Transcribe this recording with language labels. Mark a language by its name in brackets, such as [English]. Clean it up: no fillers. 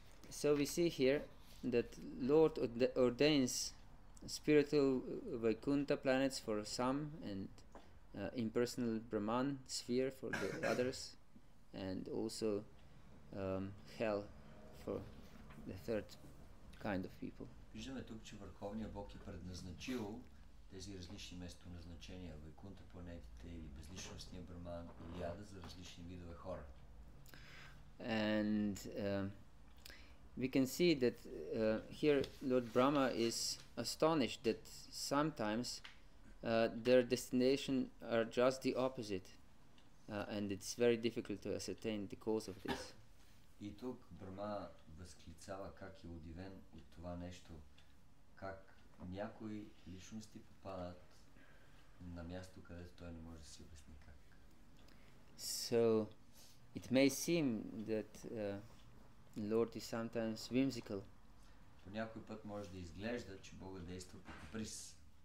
[English] So we see here that Lord ordains spiritual Vaikuntha planets for some and impersonal Brahman sphere for the others, and also hell for the third kind of people. [Bulgarian] Виждаме тук, че Върховният Бог е предназначил тези различни местоназначения, Вайкунта планетите или безличностния Браман и яда за различни видове хора. [English] And we can see that here Lord Brahma is astonished that sometimes their destination are just the opposite, and it's very difficult to ascertain the cause of this. [Bulgarian] И тук Брама възклицава как е удивен от това нещо, как някои личности попадат на място, където той не може да си обясни как. [English] So, it may seem that Lord is sometimes whimsical. [Bulgarian] По някой път може да изглежда, че Бога действа по каприз.